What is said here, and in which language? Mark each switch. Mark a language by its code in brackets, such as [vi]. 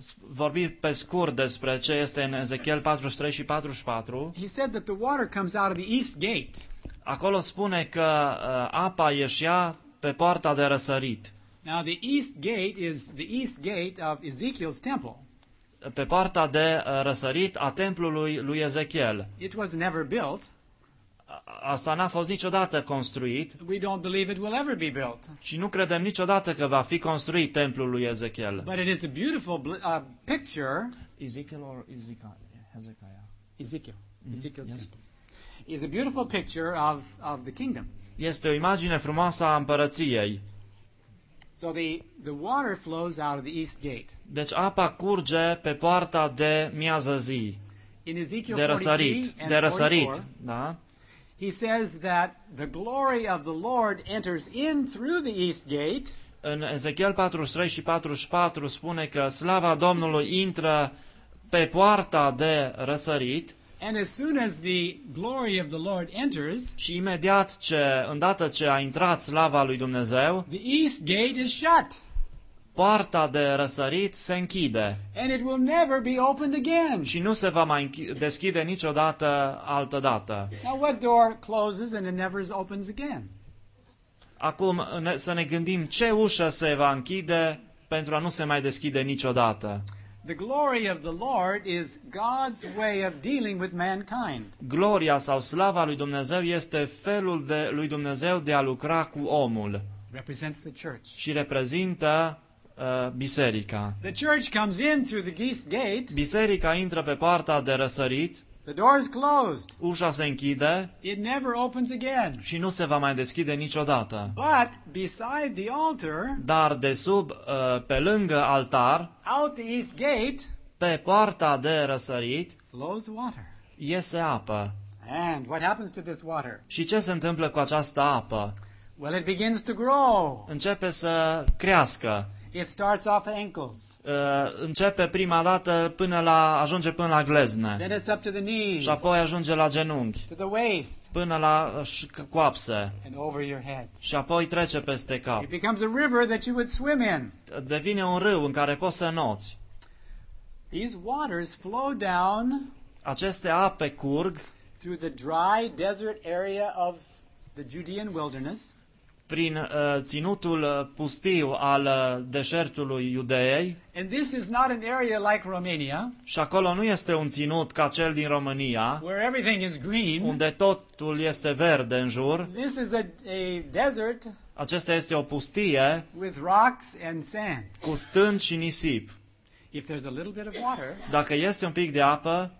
[ro] Vorbi pe scurt despre ce este în Ezekiel 43 și 44. [en] He said that the water comes out of the east gate. [ro] Acolo spune că apa ieșea pe poarta de răsărit. [en] Now the east gate is the east gate of Ezekiel's temple. [ro] Pe poarta de răsărit a templului lui Ezechiel. [en] It was never built. [ro] Asta n-a fost niciodată construit. [en] We don't believe it will ever be built. [ro] Și nu credem niciodată că va fi construit templul lui Ezechiel. [en] But it is a beautiful picture. Ezekiel or Ezekiah? Ezekiel. Ezekiel. Yes. Is a beautiful picture of the kingdom. [ro] Este o imagine frumoasă a împărăției. [en] So the water flows out of the east gate. [ro] Deci apa curge pe poarta de miază zi. [en] In Ezekiel 43 and 44, [ro] da? [en] He says that the glory of the Lord enters in through the east gate. [ro] În Ezekiel 43 și 44 spune că slava Domnului intră pe poarta de răsărit. [en] And as soon as the glory of the Lord enters, [ro] și imediat ce, îndată ce a intrat slava lui Dumnezeu, [en] the east gate is shut. [ro] Poarta de răsărit se închide. [en] And it will never be opened again. [ro] Și nu se va mai deschide niciodată altă dată. [en] Now what door closes and it never opens again? [ro] Acum să ne gândim ce ușă se va închide pentru a nu se mai deschide niciodată. [en] The glory of the Lord is God's way of dealing with mankind. [ro] Gloria sau slava lui Dumnezeu este felul de lui Dumnezeu de a lucra cu omul. [en] Represents the church. [ro] Și reprezintă biserica. [en] The church comes in through the east gate. [ro] Biserica intră pe partea de răsărit. [en] The door is closed. [ro] Ușa se închide. [en] It never opens again. [ro] Și nu se va mai deschide niciodată. [en] But beside the altar, [ro] dar de sub, pe lângă altar, [en] out the east gate, [ro] pe poarta de răsărit, [en] flows water. [ro] Iese apă. [en] And what happens to this water? [ro] Și ce se întâmplă cu această apă? [en] Well, it begins to grow. [ro] Începe să crească. [en] It starts off ankles. [ro] Începe prima dată până la ajunge până la glezne. [en] Then it's up to the knees. [ro] Și apoi ajunge la genunchi. [en] To the waist. [ro] Până la coapse. [en] And over your head. [ro] Și apoi trece peste cap. [en] It becomes a river that you would swim in. [ro] Devine un râu în care poți să noți. [en] These waters flow down. [ro] Aceste ape curg [en] through the dry desert area of the Judean wilderness. [ro] Prin ținutul pustiu al deșertului Iudeei. [en] And this is not an area like Romania. [ro] Și acolo nu este un ținut ca cel din România. [en] Where everything is green. [ro] Unde totul este verde în jur. [en] This is a desert. [ro] Acesta este o pustie. [en] With rocks and sand. [ro] Cu stânci și nisip. [en] If there's a little bit of water, [ro] dacă este un pic de apă,